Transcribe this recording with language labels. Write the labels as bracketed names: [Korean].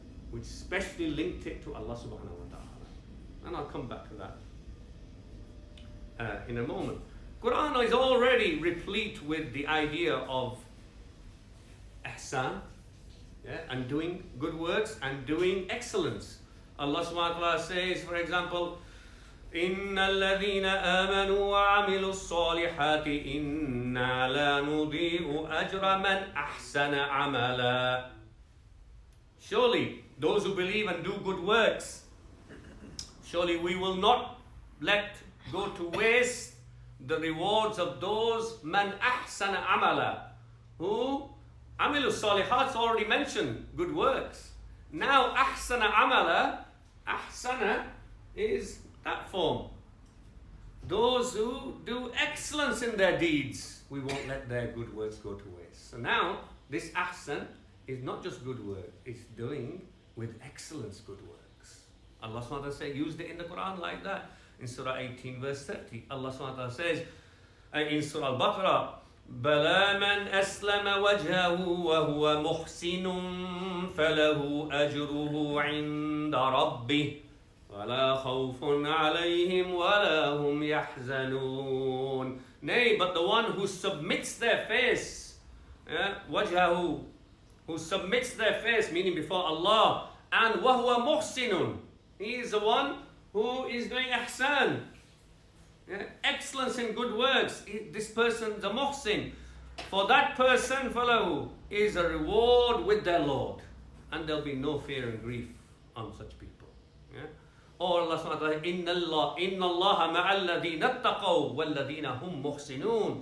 [English] Which specially linked it to Allah subhanahu wa ta'ala. And I'll come back to that in a moment. Quran is already replete with the idea of ihsan, and doing good works and doing excellence. Allah subhanahu wa ta'ala says, for example, [Arabic] إِنَّ الَّذِينَ آمَنُوا وَعَمِلُوا الصَّالِحَاتِ إِنَّا لَا نُضِيءُ أَجْرَ مَنْ أَحْسَنَ عَمَلًا. [English] Surely those who believe and do good works, surely we will not let go to waste the rewards of those man ahsana amala, who amilu salihat, already mentioned good works. Now ahsana amala, ahsana is that form. Those who do excellence in their deeds, we won't let their good works go to waste. So now this ahsan is not just good work, it's doing with excellence good works. Allah subhanahu wa ta'ala said, used it in the Quran like that. In Surah 18, verse 30, Allah subhanahu wa ta'ala says, in Surah Al-Baqarah, [Arabic] بَلَا مَنْ أَسْلَمَ وَجْهَهُ وَهُوَ مُحْسِنٌ فَلَهُ أَجْرُهُ عِنْدَ رَبِّهِ وَلَا خَوْفٌ عَلَيْهِمْ وَلَا هُمْ يَحْزَنُونَ. [English] Nay, but the one who submits their face, [Arabic] وَجْهَهُ, [English] who submits their face, meaning before Allah, and [Arabic] وَهُوَ مُحْسِنٌ, [English] he is the one who is doing ihsan, excellence in good works. This person, the muhsin, for that person, fellow, is a reward with their Lord. And there'll be no fear and grief on such people. Or Allah subhanahu wa ta'ala, [Arabic] إِنَّ اللَّهَ مَعَ الَّذِينَ اتَّقَوْا وَالَّذِينَ هُمْ مُحْسِنُونَ.